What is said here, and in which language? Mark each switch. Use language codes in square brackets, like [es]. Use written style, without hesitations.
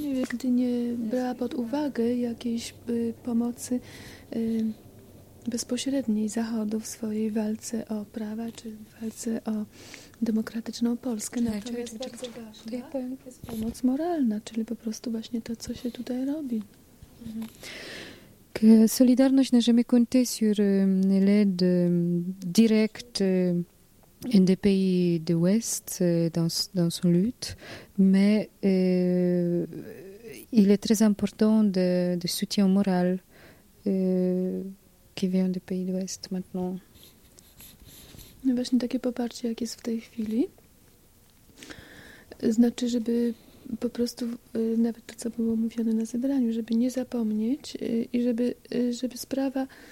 [pl] Gdy nie brała pod uwagę jakiejś pomocy bezpośredniej Zachodu w swojej walce o prawa czy w walce o demokratyczną Polskę. Czekaj. Ja powiem, jest pomoc moralna, czyli po prostu właśnie to, co się tutaj robi. [fr] Que Solidarność n'a jamais compté sur l'aide directe des pays de l'Ouest dans son lutte, mais il est très important de soutien moral qui vient des pays de l'Ouest maintenant. [pl] No właśnie takie poparcie, jak jest w tej chwili, znaczy, żeby po prostu, nawet to, co było mówione na zebraniu, żeby nie zapomnieć i żeby sprawa